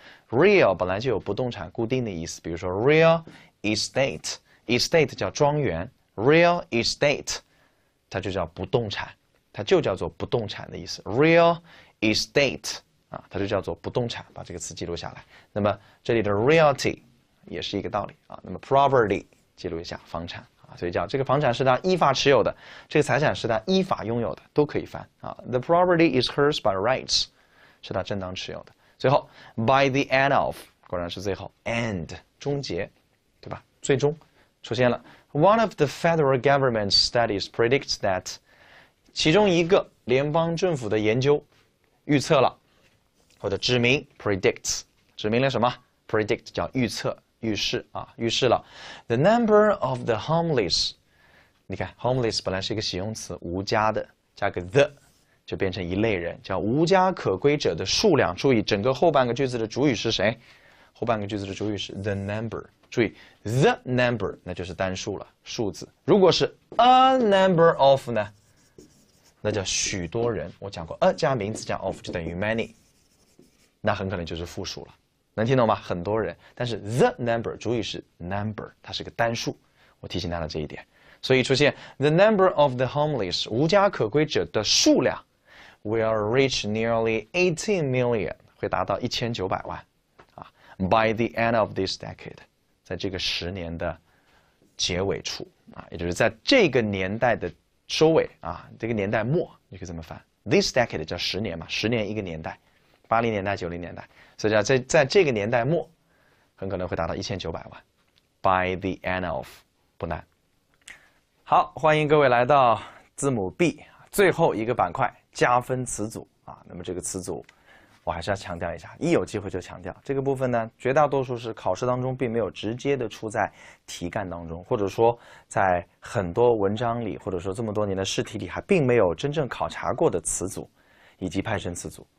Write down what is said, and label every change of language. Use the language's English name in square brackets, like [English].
[Chinese] Real 本来就有不动产、固定的意思，比如说 [English] real estate [Chinese] 叫庄园，real estate 它就叫不动产，它就叫做不动产的意思。 [English] real estate [Chinese] 啊，它就叫做不动产，把这个词记录下来。那么这里的 realty 也是一个道理啊。那么 property 记录一下房产啊，所以叫这个房产是他依法持有的，这个财产是他依法拥有的，都可以翻啊。 [English] The property is hers by rights [Chinese] 是他正当持有的。最后， [English] by the end of， [Chinese] 果然是最后，end 终结，对吧？最终出现了。 [English] One of the federal government studies predicts that， [Chinese] 其中一个联邦政府的研究预测了，或者指明 predicts， 指明了什么 ？predict 叫预测、预示啊，预示了。 [English] The number of the homeless， [Chinese] 你看 homeless 本来是一个形容词，无家的，加个 the 就变成一类人，叫无家可归者的数量。注意，整个后半个句子的主语是谁？后半个句子的主语是 [English] the number。 [Chinese] 注意 [English] the number [Chinese] 那就是单数了，数字。如果是 [English] a number of [Chinese] 呢？那叫许多人，我讲过 a 加名词加 of 就等于 many， 那很可能就是复数了，能听懂吗？很多人，但是 [English] the number [Chinese] 主语是 number， 它是个单数，我提醒大家这一点。所以出现 [English] the number of the homeless [Chinese] 无家可归者的数量 [English] will reach nearly 18 million， [Chinese] 会达到1900万、啊、 [English] by the end of this decade， [Chinese] 在这个十年的结尾处、啊、也就是在这个年代的收尾啊，这个年代末，你可以这么翻。 [English] This decade [Chinese] 叫十年嘛，十年一个年代，80年代、90年代，所以叫在这个年代末，很可能会达到1900万。 [English] By the end of， [Chinese] 不难。好，欢迎各位来到字母 B 最后一个板块，加分词组啊。那么这个词组，我还是要强调一下，一有机会就强调这个部分呢，绝大多数是考试当中并没有直接的出在题干当中，或者说在很多文章里，或者说这么多年的试题里还并没有真正考察过的词组以及派生词组。